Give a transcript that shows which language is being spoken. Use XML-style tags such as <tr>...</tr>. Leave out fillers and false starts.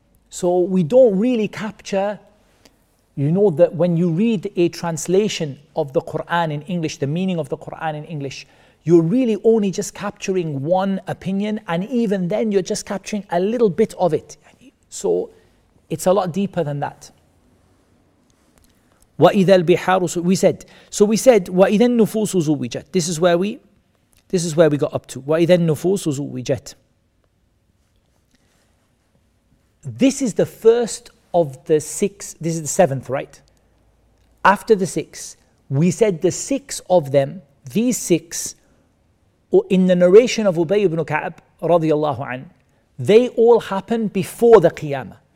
<en>So we don't really capture. You know that when you read a translation of the Quran in English, the meaning of the Quran in English, you're really only just capturing one opinion, and even then you're just capturing a little bit of it. So it's a lot deeper than that.</en> <ar>وَإِذَا الْبِحَارُ</ar> <en>We said,</en> <ar>وَإِذَا النُّفُوسُ زُوِّجَتْ.</ar> <en>This is where we got up to.</en> <ar>وَإِذَا النُّفُوسُ زُوِّجَتْ.</ar> <en>This is the first of the six, this is the seventh, right? After the six, we said the six of them, these six, in the narration of Ubay ibn Ka'b, radiallahu an, they all happen before the Qiyamah.</en>